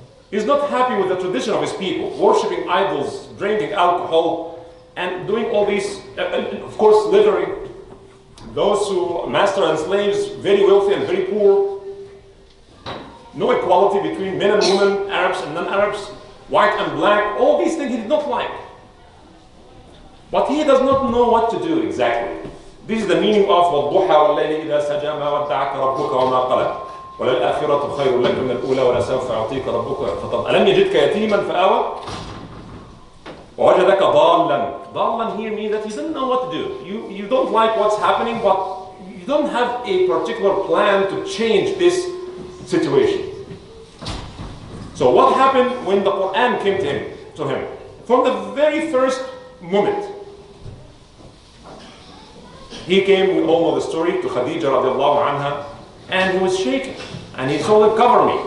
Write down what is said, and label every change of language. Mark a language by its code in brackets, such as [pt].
[en] He's not happy with the tradition of his people, worshipping idols, drinking alcohol, and doing all these, of course, literally, those who master and slaves, very wealthy and very poor. No equality between men and women, Arabs and non-Arabs, white and black, all these things he did not like. But he does not know what to do exactly. This is the meaning of [ar] وَالضُّحَى وَاللَّيْلِ إِذَا سَجَى مَا وَدَّعَكَ رَبُّكَ وَمَا قَلَى وَلَلْآخِرَةُ خَيْرٌ لَكَ مِنَ الْأُولَى وَلَسَوْفَ أَعْطِيكَ رَبُّكَ فَطَبْ أَلَمْ يَجِدْكَ يَتِيمًا فَآوَى وَوَجَدَكَ ضَالًّا. [en] Dallan here means that he doesn't know what to do. You don't like what's happening, but you don't have a particular plan to change this situation. So what happened when the Quran came to him? From the very first moment, he came, we all know the story, to Khadija radiallahu anha, and he was shaking, and he told him, cover me.